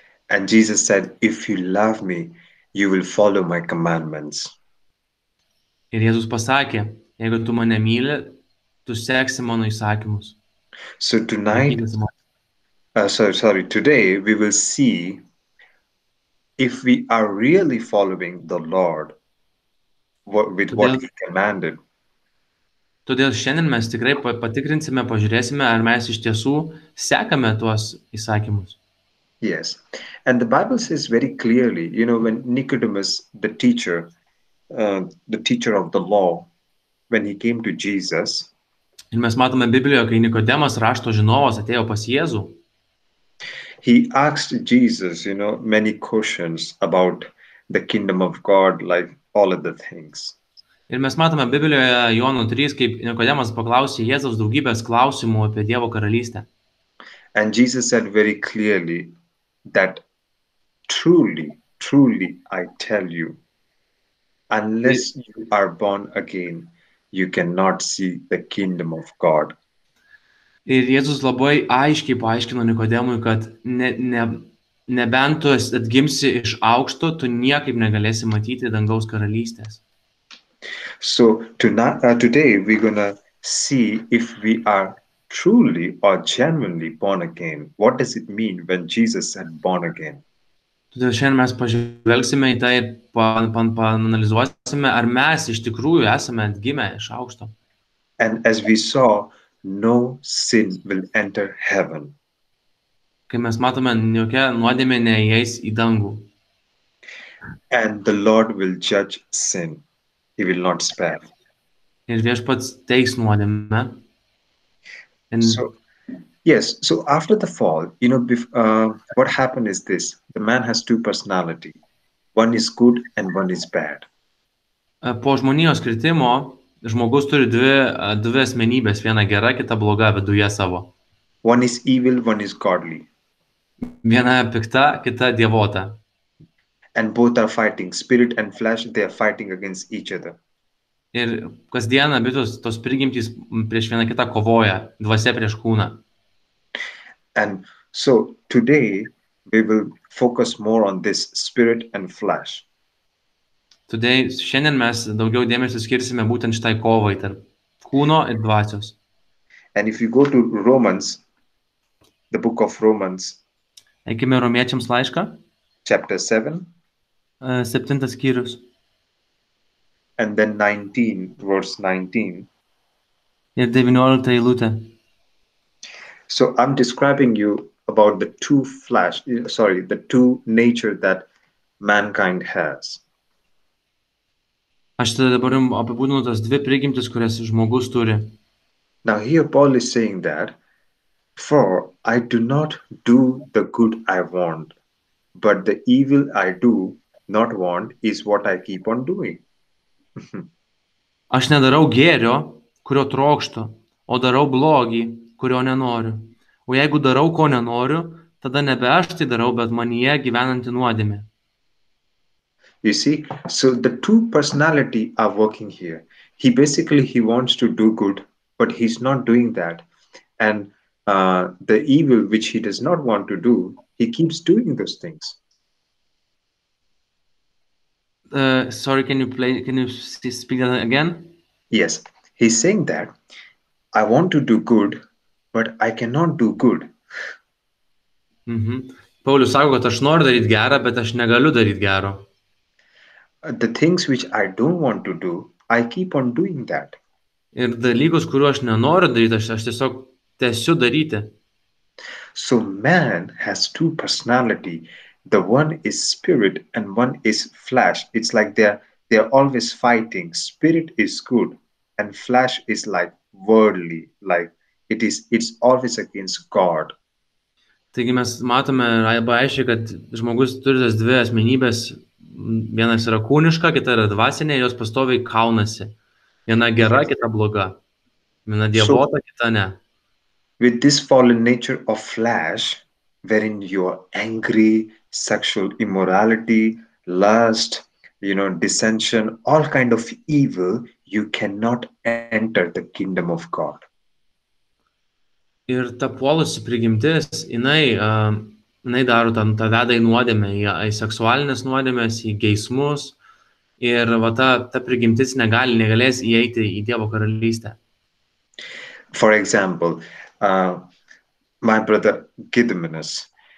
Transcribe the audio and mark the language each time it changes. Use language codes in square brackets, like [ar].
[en] And Jesus said, if you love me, you will follow my commandments. [lt] Ir Jėzus pasakė, jeigu tu mane myli, tu seksi mano įsakymus. [en] So tonight, today we will see if we are really following the Lord, with what he commanded. [lt] Todėl šiandien mes tikrai patikrinsime, pažiūrėsime, ar mes iš tiesų sekame tuos įsakymus. [en] Yes, and the Bible says very clearly, when Nicodemus, the teacher of the law, when he came to Jesus, [lt] Ir mes matome Biblijoje, kai Nikodemas rašto žinovas atėjo pas Jėzų. [en] he asked Jesus, many questions about the kingdom of God, like all of the things. [lt] Ir mes matome Biblijoje Jono 3, kaip Nikodemas paklausė Jėzaus daugybės klausimų apie Dievo karalystę. [en] And Jesus said very clearly that truly, truly, I tell you, unless you are born again, you cannot see the kingdom of God. [lt] Ir Jėzus labai aiškiai paaiškino Nikodemui, kad nebent tu atgimsi iš aukšto, tu niekaip negalėsi matyti dangaus karalystės. [en] So today we're gonna see if we are truly or genuinely born again. What does it mean when Jesus said born again? [lt] Todėl šiandien mes pažvelgsime į tai ir panalizuosime, ar mes iš tikrųjų esame atgimę iš aukšto. [en] And as we saw, no sin will enter heaven. [lt] Kai mes matome, jokia nuodėmė neįeis į dangų. [en] And the Lord will judge sin. He will not spare. [lt] Ir viešpats teis nuodėmę. [en] So, yes, so after the fall, what happened is this: the man has two personality. One is good and one is bad. [lt] Po žmonijos kritimo žmogus turi dvi asmenybės, viena gera, kita bloga viduje savo. [en] One is evil, one is godly. [lt] Viena pikta, kita dievota. [en] And both are fighting, spirit and flesh, they are fighting against each other. [lt] Ir kasdien abi tos prigimtys prieš vieną kitą kovoja, dvasia prieš kūną. [en] And so today we will focus more on this spirit and flesh. [lt] Šiandien mes daugiau dėmesio skirsime būtent šitai kovai tarp kūno ir dvasios. [en] And if you go to Romans, the book of Romans, [lt] Eikime romiečiams laišką. [en] chapter 7, [lt] Septintas skyrius. [en] and then 19, verse 19. [lt] Ir 19 eilutė. [en] So I'm describing you about the two flesh, sorry, the two nature that mankind has. [lt] Aš tada dabar jums apibūdinu tas dvi prigimtis, kurias žmogus turi. [en] Now here Paul is saying that, for I do not do the good I want, but the evil I do not want is what I keep on doing. [lt] Aš nedarau gėrio, kurio trokštu, o darau blogį, kurio nenoriu. O jeigu darau, ko nenoriu, tada nebe aš tai darau, bet manyje gyvenanti nuodėmė. [en] You see, so the two personality are working here. He wants to do good, but he's not doing that. And the evil which he does not want to do, he keeps doing those things. Sorry, can you speak that again? Yes, he's saying that I want to do good, but I cannot do good. [lt] Paulius sako, kad aš noriu daryti gerą, bet aš negaliu daryti gero. [en] The things which I don't want to do, I keep on doing that. [lt] Ir dalykus, kurių aš nenoriu daryti, aš tiesiog tęsiu daryti. [en] So man has two personality. The one is spirit and one is flesh. It's like they're always fighting. Spirit is good and flesh is like worldly, like it's always against God. [lt] Taigi mes matome arba aiškiai, kad žmogus turi tas dvi asmenybės. Vienas yra kūniška, kita yra dvasinė, ir jos pastoviai kaunasi. Viena gera, [en] Yes. [lt] kita bloga. Viena [en] So, [lt] dievota, kita ne. [en] with this fallen nature of flesh, wherein you are angry, sexual immorality, lust, dissension, all kind of evil, you cannot enter the kingdom of God. [lt] Ir ta puolusi prigimtis, jinai daro tą vedą į nuodėmę, į seksualinės nuodėmės, į geismus. Ir va ta prigimtis negalės įeiti į Dievo karalystę. [en] For example, my brother Gediminas.